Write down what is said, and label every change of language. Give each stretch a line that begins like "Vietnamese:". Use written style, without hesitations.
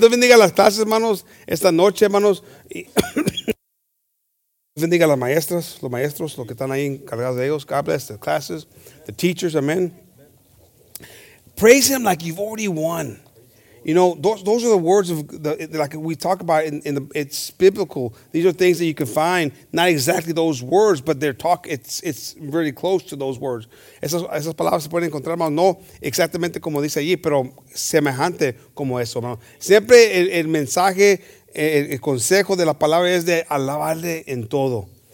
Spanish: Dios bendiga las clases, hermanos, esta noche, hermanos. Dios bendiga las maestras, los maestros, los que están ahí encargados de ellos.
English: God bless the classes, the teachers. Amen. Praise him like you've already won. You know, those are the words of the like we talk about it's biblical. These are things that you can find, not exactly those words, but it's really close to those words.
Spanish: Esas palabras se pueden encontrar, hermano, no exactamente como dice allí, pero semejante como eso, hermano. Siempre el mensaje, el consejo de la palabra es de alabarle en todo.